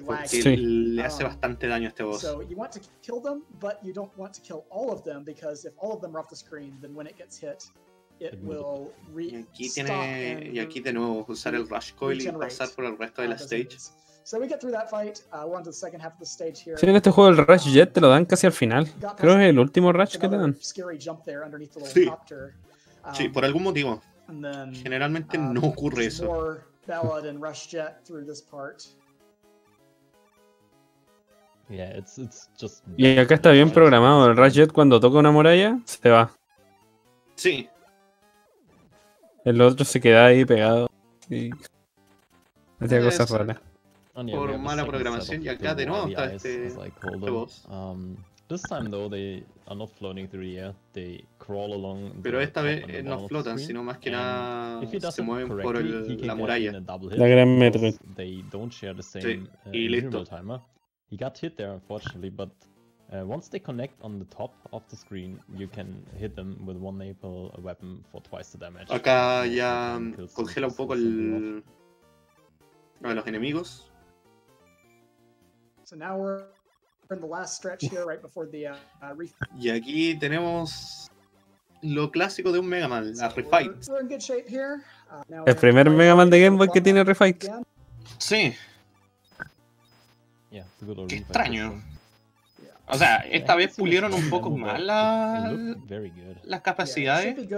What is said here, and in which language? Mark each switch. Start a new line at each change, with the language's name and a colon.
Spanish: Sí, le hace bastante daño a este boss.
English: So you want to kill them, but you don't want to kill all of them because if all of them are off the screen, then when it gets hit, it will
Spanish: aquí de nuevo usar el rush coil y pasar por el resto de la stage.
English: So we get through that fight. We're on to the second half of the stage here.
Spanish: Sí, en este juego el rush jet te lo dan casi al final. Creo que es el último rush que te dan.
English: Scary jump there underneath the helicopter.
Spanish: Sí, por algún motivo. Generalmente no ocurre eso.
English: More ballad and rush jet through this part. Yeah, it's just.
Spanish: Y acá está bien programado el rush jet cuando toca una muralla se va. Sí. El otro se queda ahí pegado y hacía cosas raras. Por mala programación y acá de nuevo está este boss.
English: This time though they are not floating through the air, they crawl along.
Spanish: Pero esta vez no flotan, sino más que nada se mueven por la muralla. La gran metro.
English: They don't share the same interval timer. He got hit there, unfortunately, but once they connect on the top of the screen, you can hit them with one Naple weapon for twice the damage.
Spanish: Acá ya congela un poco los enemigos.
English: So now we're in the last stretch here, right before the refight.
Spanish: Y aquí tenemos lo clásico de un Mega Man, la refight.
English: We're in good shape here.
Spanish: El primer Mega Man de Game Boy que tiene refight. Sí.
English: Yeah, good.
Spanish: Qué extraño. O sea, esta vez pulieron un poco más las capacidades.